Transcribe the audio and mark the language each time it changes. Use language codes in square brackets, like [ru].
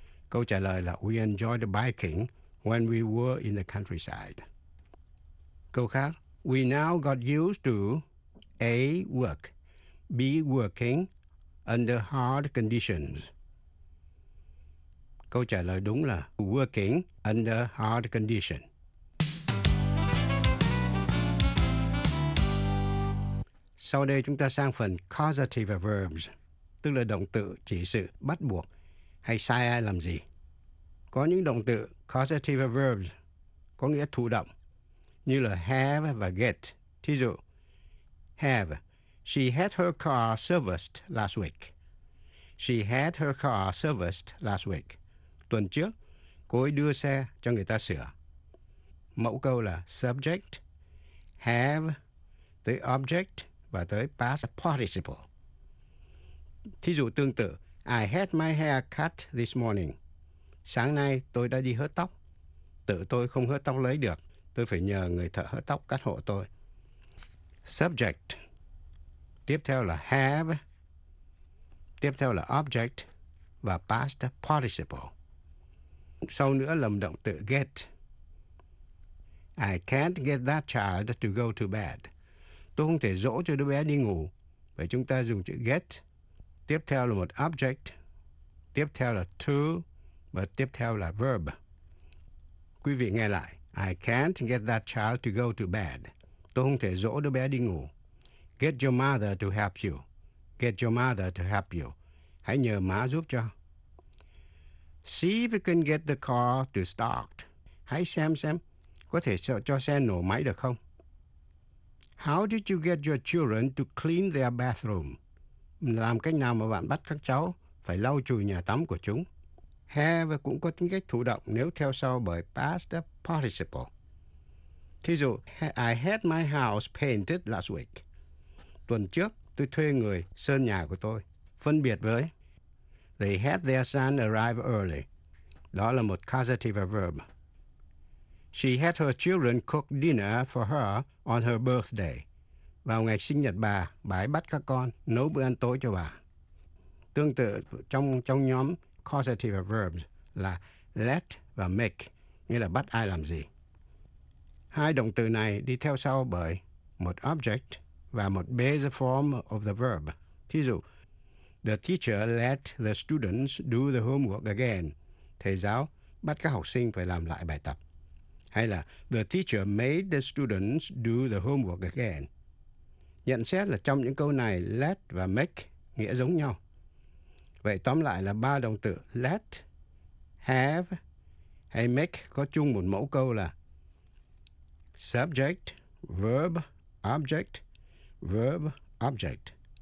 [vi] Câu trả lời là [en] We enjoyed biking when we were in the countryside. [vi] Câu khác. [en] We now got used to A. Work, B. Working under hard conditions. [vi] Câu trả lời đúng là [en] working under hard condition. [vi] Sau đây chúng ta sang phần causative verbs, tức là động từ chỉ sự bắt buộc hay sai ai làm gì. Có những động từ causative verbs có nghĩa thụ động như là have và get. Thí dụ, have. [en] She had her car serviced last week. She had her car serviced last week. [vi] Tuần trước, cô ấy đưa xe cho người ta sửa. Mẫu câu là subject, have, tới object và tới past participle. Thí dụ tương tự, [en] I had my hair cut this morning. [vi] Sáng nay tôi đã đi hớt tóc. Tự tôi không hớt tóc lấy được. Tôi phải nhờ người thợ hớt tóc cắt hộ tôi. Subject. Tiếp theo là have. Tiếp theo là object và past participle. Sau nữa là động từ get. [en] I can't get that child to go to bed. [vi] Tôi không thể dỗ cho đứa bé đi ngủ. Vậy chúng ta dùng chữ get. Tiếp theo là một object. Tiếp theo là to. Và tiếp theo là verb. Quý vị nghe lại. [en] I can't get that child to go to bed. [vi] Tôi không thể dỗ đứa bé đi ngủ. [en] Get your mother to help you. Get your mother to help you. [vi] Hãy nhờ má giúp cho. [en] See if you can get the car to start. [vi] Hãy xem. Có thể cho xe nổ máy được không? [en] How did you get your children to clean their bathroom? [vi] Làm cách nào mà bạn bắt các cháu phải lau chùi nhà tắm của chúng? Have cũng có tính cách thụ động nếu theo sau bởi past participle. Thí dụ, [en] I had my house painted last week. [vi] Tuần trước, tôi thuê người sơn nhà của tôi. Phân biệt với [en] They had their son arrive early. [vi] Đó là một causative verb. [en] She had her children cook dinner for her on her birthday. [vi] Vào ngày sinh nhật bà ấy bắt các con nấu bữa ăn tối cho bà. Tương tự trong nhóm causative verbs là let và make, nghĩa là bắt ai làm gì. Hai động từ này đi theo sau bởi một object và một base form of the verb. Thí dụ, [en] the teacher let the students do the homework again. [vi] Thầy giáo bắt các học sinh phải làm lại bài tập. Hay là [en] the teacher made the students do the homework again. [vi] Nhận xét là trong những câu này, let và make nghĩa giống nhau. Vậy tóm lại là ba động từ let, have hay make có chung một mẫu câu là subject, verb, object, verb, object.